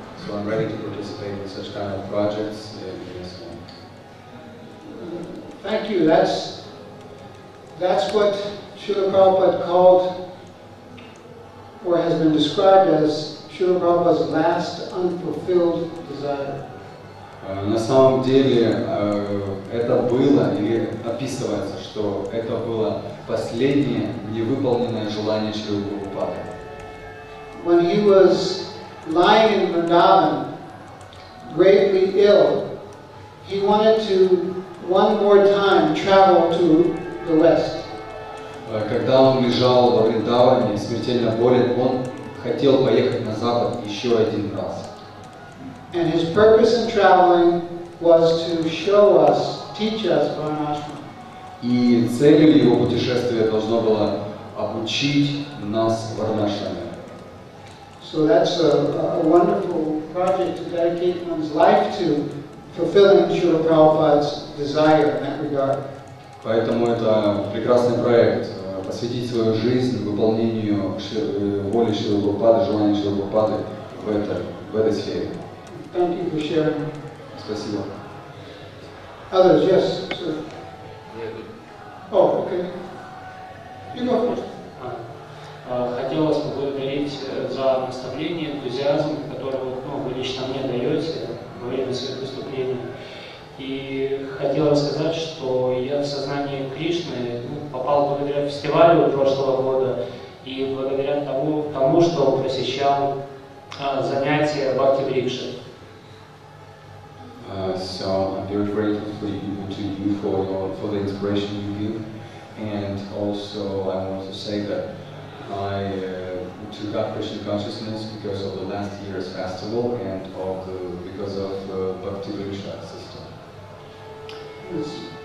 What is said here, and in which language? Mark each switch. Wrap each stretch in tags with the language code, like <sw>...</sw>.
<en>So I'm ready to participate in such kind of projects in this one. Thank you. That's what Srila Prabhupada called, or has been described as, Srila Prabhupada's last unfulfilled desire.</en> <ru>На самом деле, это было, или описывается, что это было последнее невыполненное желание Шрилы Прабхупады.</ru> <en>When he was lying in Vrindavan, greatly ill, he wanted to one more time travel to the West.</en> <ru>Когда он лежал во Вриндаване, смертельно болен, он хотел поехать на Запад еще один раз.</ru> <en>And his purpose in traveling was to show us, teach us Varnashram.</en> <ru>И целью его путешествия должно было обучить нас Варнашраме.</ru> <en>So that's a wonderful project to dedicate one's life to, fulfilling Srila Prabhupada's desire in that regard.</en> <ru>Поэтому это прекрасный проект посвятить свою жизнь выполнению воли Шрилы Прабхупады, желания Шрилы Прабхупады в этой сфере.</ru> <en>Thank you for sharing.</en> <ru>Спасибо.</ru> <en>Others, yes, sir. Yeah, oh, okay. You go first.</en> <ru>Хотел вас поблагодарить за наставление, энтузиазм, который вы лично мне даете во время своих выступлений. И хотела сказать, что я в сознание Кришны попал благодаря фестивалю прошлого года и благодаря тому, что посещал занятия Бхакти Брикши.</ru> <en>So I'm very grateful to you for the inspiration you give, and also I want to say that I took up Krishna consciousness because of the last year's festival and of the because of Bhakti Brikshi.</en>